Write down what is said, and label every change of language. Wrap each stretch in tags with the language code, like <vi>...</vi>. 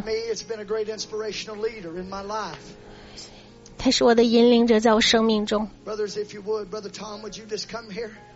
<en>To me, it's been a great inspirational leader in my life.</en> <zh>他是我的引领者，在我生命中。</zh> <en>Brothers, if you would, Brother Tom, would you just come here?</en>